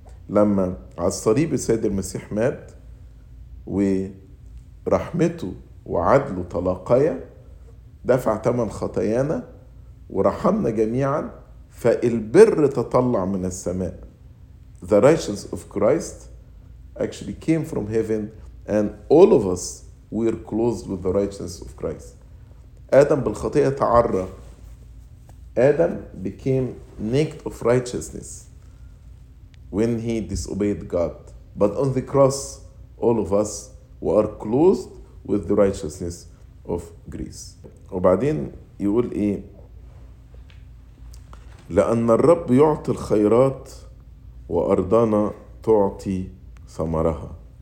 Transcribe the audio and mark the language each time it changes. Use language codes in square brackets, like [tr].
[ar] لما على الصليب السيد المسيح مات ورحمته وعدله تلاقيا دفع ثمن خطايانا ورحمنا جميعا فالبر تطلع من السماء. [en] The righteousness of Christ actually came from heaven, and all of us were clothed with the righteousness of Christ. [ar] Adam بالخطية تعرى. [en] Adam became naked of righteousness when he disobeyed God. But on the cross, all of us were clothed with the righteousness of grace. [ar] وبعدين يقول إيه؟ لأن الرب يعطي الخيرات وأرضنا تعطي ثمرها.